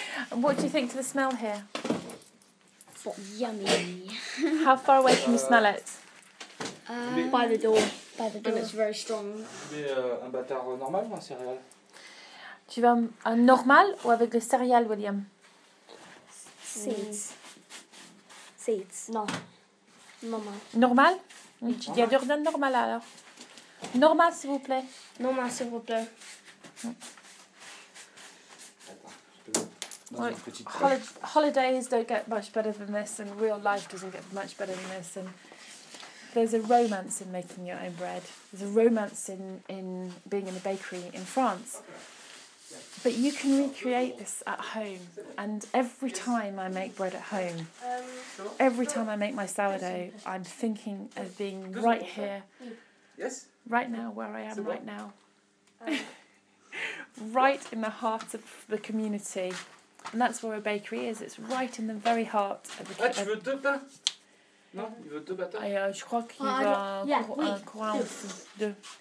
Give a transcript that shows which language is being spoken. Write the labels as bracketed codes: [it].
[en] And what do you think to the smell here? It's yummy. How far away can you smell it? By the door. By the door. It's very strong. [fr] Un bâtard normal ou un céréal? Tu veux un normal ou avec les céréales, William? [en] Seeds. Non. [fr] Normal. Normal? Tu dis à Jordan normal alors. Normal, s'il vous plaît. Normal, s'il vous plaît. Mm. [en] Holidays don't get much better than this, and real life doesn't get much better than this. And there's a romance in making your own bread. There's a romance in being in a bakery in France. But you can recreate this at home, and every time I make bread at home, every time I make my sourdough, I'm thinking of being right here, right now, where I am right now, right in the heart of the community, and that's where a bakery is. It's right in the very heart of the [fr] community. Ah, tu veux deux pains? Non, il veut deux bâtons. Je crois qu'il va un courant deux.